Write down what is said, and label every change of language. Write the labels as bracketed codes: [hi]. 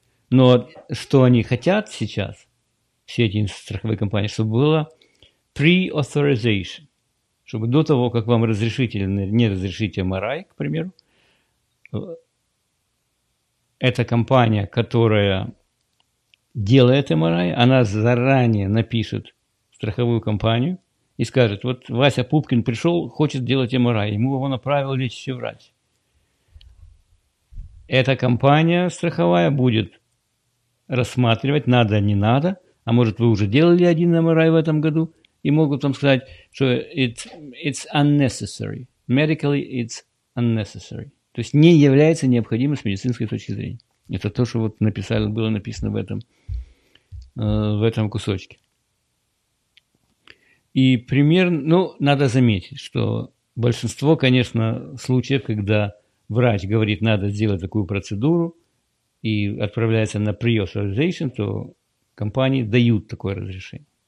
[ru] Но что они хотят сейчас, все эти страховые компании, чтобы было pre-authorization, чтобы до того, как вам разрешить или не разрешить MRI, к примеру, эта компания, которая делает MRI, она заранее напишет страховую компанию и скажет: вот Вася Пупкин пришел, хочет делать MRI, ему его направил лечащий врач. Эта компания страховая будет рассматривать, надо, не надо, а может, вы уже делали один MRI в этом году, и могут вам сказать, что it's unnecessary, [en] Medically it's unnecessary. [ru] То есть не является необходимым с медицинской точки зрения. Это то, что вот написали, было написано в этом кусочке. И примерно, ну, надо заметить, что большинство, конечно, случаев, когда врач говорит, надо сделать такую процедуру и отправляется на pre-authorization, то компании дают такое разрешение.